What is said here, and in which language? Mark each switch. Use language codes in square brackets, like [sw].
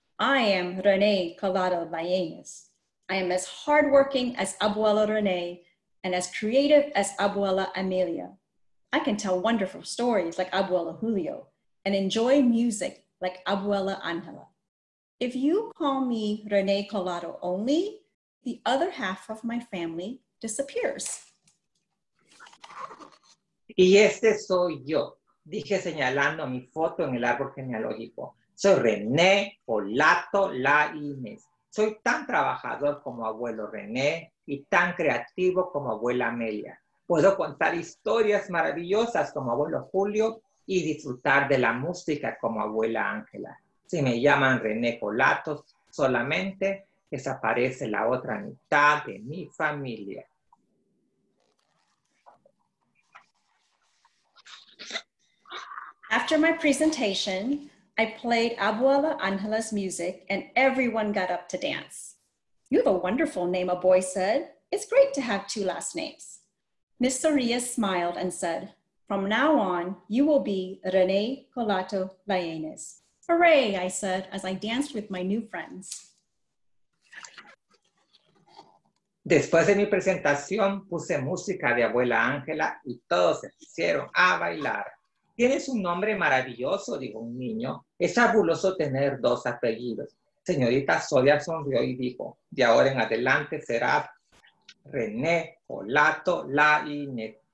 [en] I am René Colato Laínez. I am as hardworking as Abuela René and as creative as Abuela Amelia. I can tell wonderful stories like Abuela Julio and enjoy music like Abuela Angela. If you call me René Colato only, the other half of my family disappears. [es] Y este soy yo, dije señalando mi foto en el árbol genealógico. Soy René Colato Laínez. Soy tan trabajador como abuelo René y tan creativo como abuela Amelia. Puedo contar historias maravillosas como abuelo Julio y disfrutar de la música como abuela Ángela. Si me llaman René Colato, solamente desaparece la otra mitad de mi familia. [en] After my presentation, I played Abuela Ángela's music and everyone got up to dance. You have a wonderful name, a boy said. It's great to have two last names. Miss Soria smiled and said, from now on, you will be René Colato Laínez. Hooray, I said, as I danced with my new friends. [es] Después de mi presentación, puse música de abuela Ángela y todos se pusieron a bailar. Tienes un nombre maravilloso, dijo un niño. Es fabuloso tener dos apellidos. Señorita Soria sonrió y dijo, de ahora en adelante será René Colato Laínez.